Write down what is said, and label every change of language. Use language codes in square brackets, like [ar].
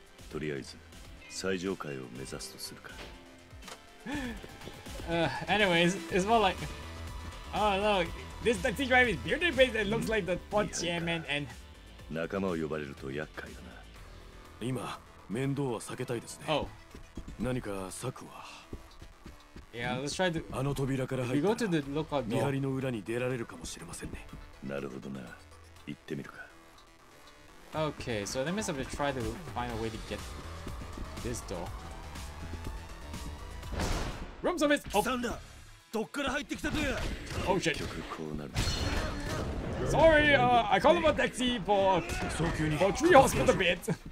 [ja] とりあえず最上階を目指すとするか。 [en] Anyways, it's more like, oh no, this taxi driver is beautiful. It looks like the Tojo Chairman and [ja] 仲間を呼ばれると厄介だな。今面倒は避けたいですね。 Oh. 何か策は。 [en] Yeah, let's try to. [ja] あの扉から入ったら。 [en] We go to the [ja] 見張りの裏に出られるかもしれませんね。なるほどな。行ってみるか。 [en] Okay, so that means I'm gonna try to find a way to get this door. Room service! Oh! Oh shit! Sorry, I called him a taxi for 3 hospital beds!